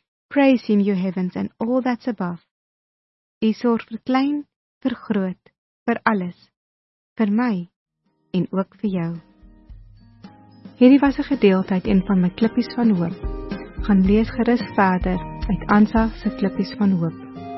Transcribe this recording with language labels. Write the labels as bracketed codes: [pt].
[en] Praise him, you heavens, and all that's above. [af] U sorg vir klein, vir groot, vir alles, vir my en ook vir jou. Hierdie was 'n gedeelte uit een van my klippies van hoop. Gaan lees gerus verder uit Ansa se klippies van hoop.